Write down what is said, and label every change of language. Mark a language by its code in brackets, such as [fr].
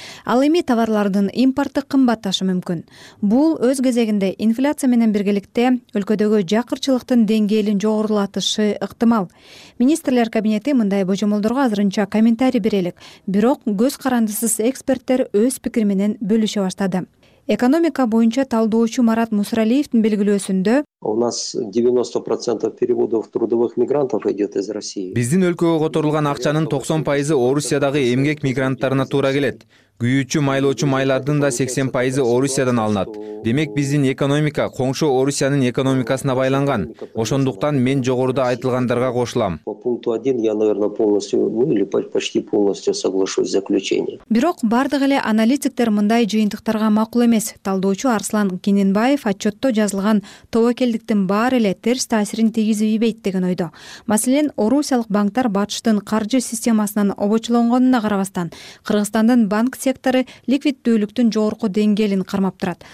[ky] Ал эми товарлардын импорту кымбатташы мүмкүн. Бул өз кезегинде инфляция менен биргеликте өлкөдөгү жакырчылыктын деңгээлин жогорулатышы ыктымал. Министрлер кабинети мындай божомолдорго азырынча комментарий бере элек, бирок көз карандысыз эксперттер өз пикир менен бөлүшө баштады. Экономика боюнча талдоочу Марат Мусралиевдин белгилөөсүндө: [ru] У нас 90% переводов трудовых мигрантов идет из России. [ky] Биздин өлкөгө которулган акчанын 90% Орусиядагы эмгек мигранттарына туура келет. Күйүүчү, майлоочу майлардын да 80% Орусиядан алынат. Демек биздин экономика коңшу Орусиянын экономикасына байланган. Ошондуктан мен жогоруда айтылгандарга кошулам. [ru] По пункту 1 я, наверное, полностью, ну или почти полностью соглашусь с заключением. [ky] Бирок бардык эле аналитиктер мындай жыйынтыктарга макул эмес. Талдоочу Арслан Кененбаев отчетто жазылган тобокелдиктин баары эле терс таасирин тийгизбейт деген ойдо. Маселен, Орусиялык банктар батыштын каржы системасынан обочолонгонуна карабастан, Кыргызстандын банк сектору ликвиддүүлүктүн жогорку деңгээлин кармап турат.